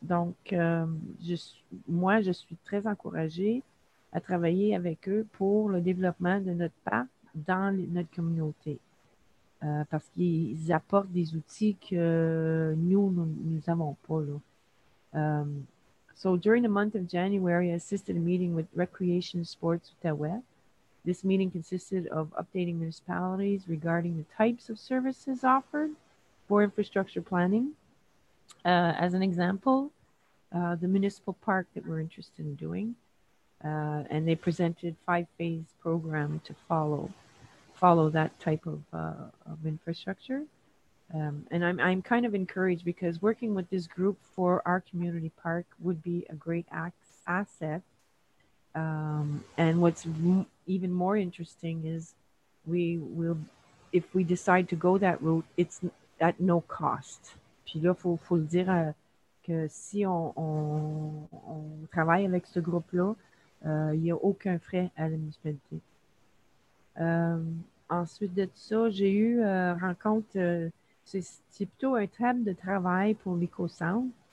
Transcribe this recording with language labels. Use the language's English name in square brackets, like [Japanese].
[French] Donc, je suis très encouragée à travailler avec eux pour le développement de notre parc dans notre communauté. Parce qu'ils apportent des outils que nous n'avons pas. Là. [English] So, during the month of January, I assisted a meeting with Recreation Sports Ottawa. This meeting consisted of updating municipalities regarding the types of services offered for infrastructure planning. As an example, the municipal park that we're interested in doing, and they presented 5-phase program to follow that type of infrastructure. And I'm kind of encouraged because working with this group for our community park would be a great asset. And what's even more interesting is we will, if we decide to go that route, it's at no cost. [French] Puis là, faut le dire que si on travaille avec ce groupe-là, il n'y a aucun frais à la municipalité. Ensuite de ça, j'ai eu rencontre, c'est plutôt un thème de travail pour l'éco-centre.